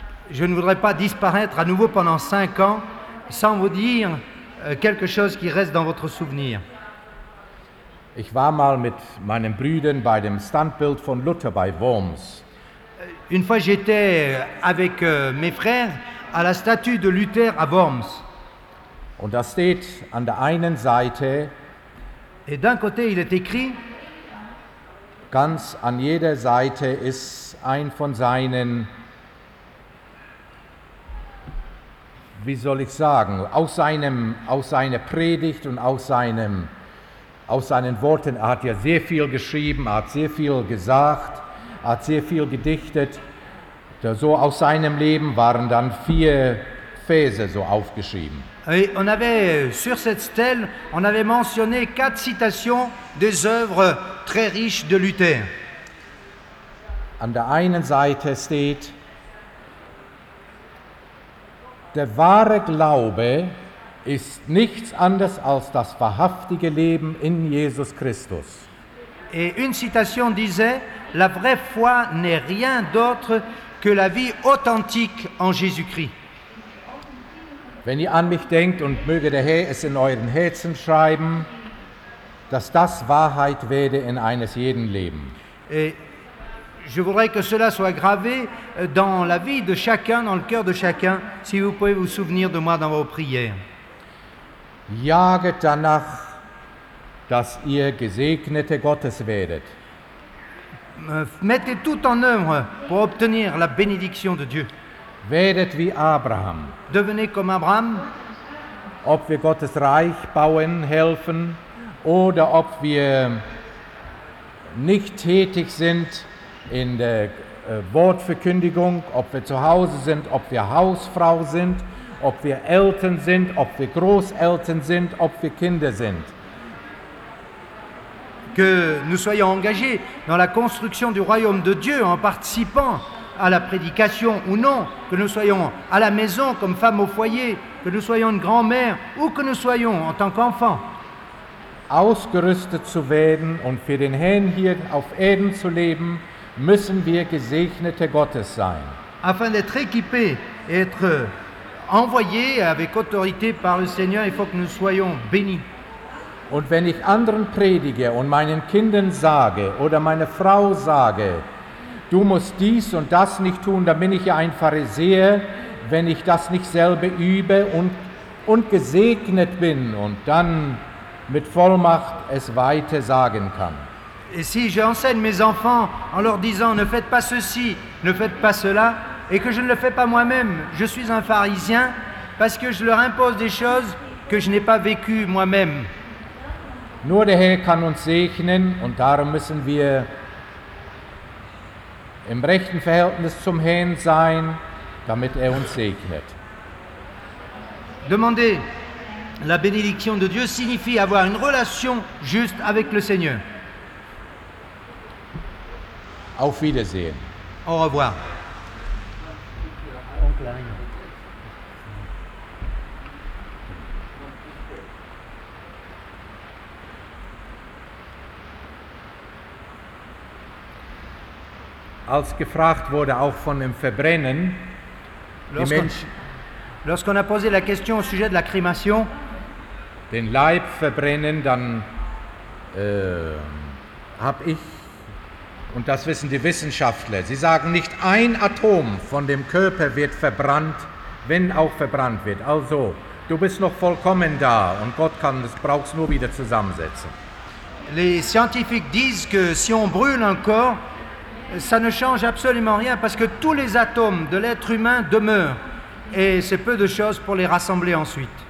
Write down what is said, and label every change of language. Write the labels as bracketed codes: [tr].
[fr] je ne voudrais pas disparaître à nouveau pendant 5 ans sans vous dire quelque chose qui reste dans votre souvenir. [de] Ich war mal mit meinen Brüdern bei dem Standbild von Luther bei Worms. [fr] Une fois j'étais avec mes frères à la statue de Luther à Worms. [de] Und da steht an der einen Seite. [fr] Et d'un côté il est écrit. [de] Ganz an jeder Seite ist ein von seinen, wie soll ich sagen, aus seiner Predigt und aus seinen Worten. Er hat ja sehr viel geschrieben, er hat sehr viel gesagt, er hat sehr viel gedichtet. So aus seinem Leben waren dann 4 Verse so aufgeschrieben. [fr] Et on avait sur cette stèle, on avait mentionné 4 citations des œuvres très riches de Luther. [de] An der einen Seite steht: Der wahre Glaube ist nichts anderes als das wahrhaftige Leben in Jesus Christus. [fr] Et une citation disait: La vraie foi n'est rien d'autre que la vie authentique en Jésus-Christ. [de] Wenn ihr an mich denkt und möge der Herr es in euren Herzen schreiben, dass das Wahrheit werde in eines jeden Leben. [fr] Et je voudrais que cela soit gravé dans la vie de chacun, dans le cœur de chacun, si vous pouvez vous souvenir de moi dans vos prières. [de] Jaget danach, dass ihr Gesegnete Gottes werdet. [fr] Mettez tout en œuvre pour obtenir la bénédiction de Dieu. [de] Werdet wie Abraham. [fr] Devenez comme Abraham. [de] Ob wir Gottes Reich bauen, helfen, oder ob wir nicht tätig sind in der Wortverkündigung, ob wir zu Hause sind, ob wir Hausfrau sind, ob wir Eltern sind, ob wir Großeltern sind, ob wir Kinder sind. [fr] Que nous soyons engagés dans la construction du royaume de Dieu en participant à la prédication ou non, que nous soyons à la maison comme femme au foyer, que nous soyons une grand-mère ou que nous soyons en tant qu'enfant. [de] Ausgerüstet zu werden und für den Herrn hier auf Erden zu leben, müssen wir Gesegnete Gottes sein. [fr] Afin d'être équipés et être envoyés avec autorité par le Seigneur, il faut que nous soyons bénis. [de] Und wenn ich anderen predige und meinen Kindern sage oder meiner Frau sage, du musst dies und das nicht tun, dann bin ich ja ein Pharisäer, wenn ich das nicht selber übe und gesegnet bin und dann mit Vollmacht es weiter sagen kann. [fr] Et si j'enseigne mes enfants en leur disant ne faites pas ceci, ne faites pas cela, et que je ne le fais pas moi-même, je suis un pharisien, parce que je leur impose des choses que je n'ai pas vécues moi-même. [de] Nur der Herr kann uns segnen und darum müssen wir im rechten Verhältnis zum Herrn sein, damit er uns segnet. [fr] Demander la bénédiction de Dieu signifie avoir une relation juste avec le Seigneur. [de] Auf Wiedersehen. [fr] Au revoir. [de] Als gefragt wurde auch von dem Verbrennen, [fr] lorsqu'on a posé la question au sujet de la crémation, [de] den Leib verbrennen, dann habe ich, und das wissen die Wissenschaftler, sie sagen, nicht ein Atom von dem Körper wird verbrannt, wenn auch verbrannt wird. Also, du bist noch vollkommen da und Gott kann, das brauchst nur wieder zusammensetzen. [fr] Les scientifiques disent que si on brûle un corps, ça ne change absolument rien parce que tous les atomes de l'être humain demeurent et c'est peu de choses pour les rassembler ensuite.